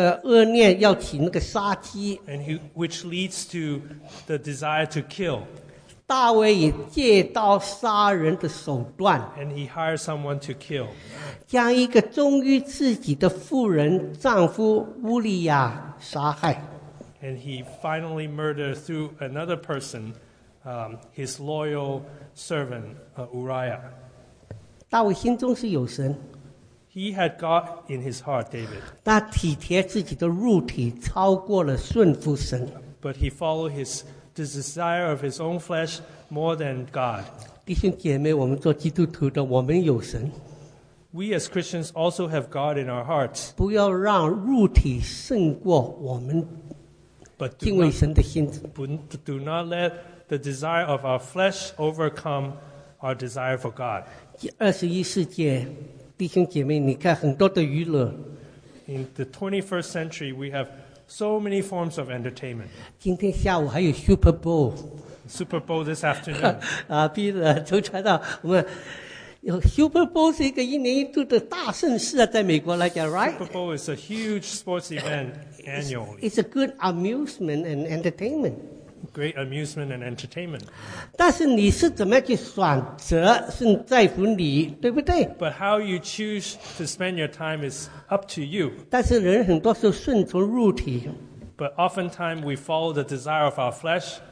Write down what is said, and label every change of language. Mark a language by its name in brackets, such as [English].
[Chinese] 甚至引起那个恶念要起那个杀机。 [English] And which leads to the desire to kill. [Chinese] 大卫也借刀杀人的手段。 [English] And he hires someone to kill. [Chinese] 将一个忠于自己的妇人丈夫乌利亚。杀害。 [English] And he finally murdered through another person, his loyal servant, Uriah. [Chinese] 大卫心中是有神。 [English] He had God in his heart, David. [Chinese] 他体贴自己的肉体超过了顺服神。 [English] But he followed the desire of his own flesh more than God. [Chinese] 弟兄姐妹，我们做基督徒的，我们有神。 [English] We as Christians also have God in our hearts. [Chinese] 不要让肉体胜过我们敬畏神的心。 [English] But do not let the desire of our flesh overcome our desire for God. [Chinese] 21世纪, 弟兄姐妹, 你看很多的娱乐, [English] In the 21st century, we have so many forms of entertainment. [Chinese] 今天下午还有 Super Bowl. [English] Super Bowl this afternoon. [Chinese] 啊，毕了，从传到我们。Super Bowl 是一个一年一度的大盛事啊，在美国来讲 ， [English] right? Super Bowl is a huge sports event annually. It's a good amusement and entertainment. Great amusement and entertainment. [Chinese] 但是你是怎么样去选择，是在乎你，对不对 [English] ？But how you choose to spend your time is up to you. [Chinese] 但是人很多时候顺从肉体。 [English] But oftentimes we follow the desire of our flesh.